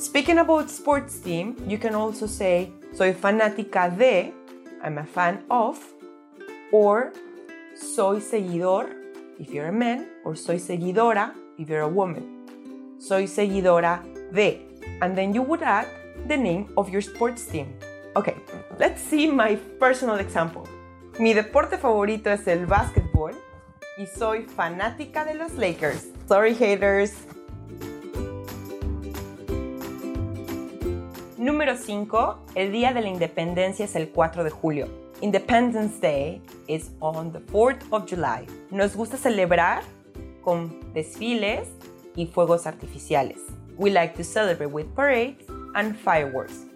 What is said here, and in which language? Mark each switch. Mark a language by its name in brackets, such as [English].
[English] Speaking about sports team, you can also say [Spanish] soy fanática de, [English] I'm a fan of, or [Spanish] soy seguidor [English] if you're a man, or [Spanish] soy seguidora [English] if you're a woman. [Spanish] Soy seguidora de. [English] And then you would add the name of your sports team. Okay, let's see my personal example. [Spanish] Mi deporte favorito es el basketball y soy fanática de los Lakers. [English] Sorry, haters. [Spanish] Número 5. El día de la independencia es el 4 de julio. [English] Independence Day is on the 4th of July. [Spanish] Nos gusta celebrar con desfiles y fuegos artificiales. [English] We like to celebrate with parades and fireworks.